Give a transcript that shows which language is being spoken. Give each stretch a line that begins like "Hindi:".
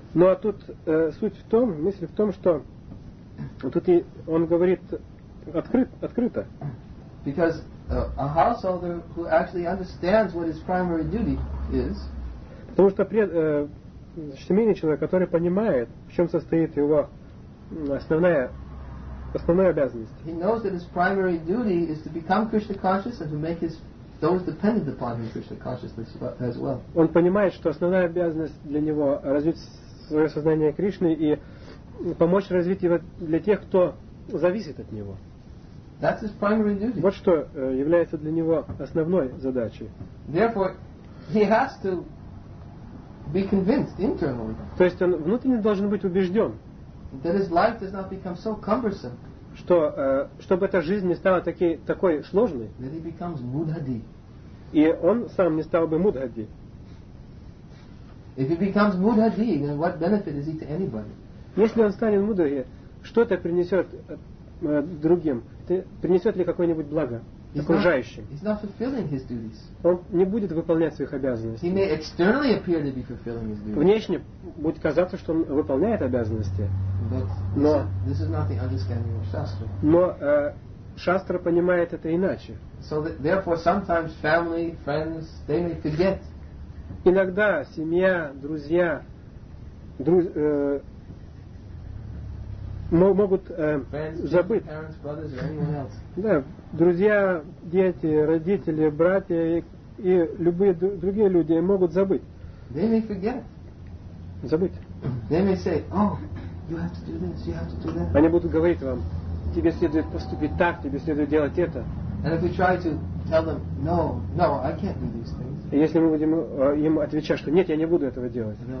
Russian: Ну а тут суть в том, мысль в том, что тут и он говорит открыто.
English: Because a householder who actually understands what his primary duty is.
Russian: Потому что семейный человек, который понимает, в чем состоит его основная обязанность.
English: He knows that his primary duty is to become Krishna conscious and to make his those dependent upon him Krishna consciousness as well.
Russian: Он понимает, что основная обязанность для него развить свое сознание Кришны и помочь развить его для тех, кто зависит от него.
English: That's his primary duty.
Russian: Вот что является для него основной задачей.
English: Therefore, he has to be convinced internally.
Russian: То есть он внутренне должен быть убежден.
English: That his life does not become so cumbersome.
Russian: Что чтобы эта жизнь не стала такой сложной.
English: That he becomes mudhadi.
Russian: И он сам не стал бы mudhadi.
English: If he becomes mudhadi, then what benefit is he to anybody?
Russian: Если он станет mudhadi, что это принесет другим? Принесет ли какое-нибудь благо окружающим?
English: He's not fulfilling his duties.
Russian: Он не будет выполнять своих обязанностей.
English: He may externally appear to be fulfilling his duties.
Russian: Внешне будет казаться, что он выполняет обязанности.
English: But this is not the understanding of Shastra.
Russian: Но Шастра понимает это иначе.
English: So that, therefore, sometimes family, friends, they may forget.
Russian: Иногда семья, друзья, могут забыть.
English: Parents, brothers, or anyone else.
Russian: Да, друзья, дети, родители, братья и любые другие люди могут забыть.
English: They may forget.
Russian: Забыть.
English: They may say, oh, you have to do this, you have to do that.
Russian: Они будут говорить вам, тебе следует поступить так, тебе следует делать это.
English: And if we try to tell them, no, I can't do these things.
Russian: Если мы будем им отвечать, что нет, я не буду этого делать.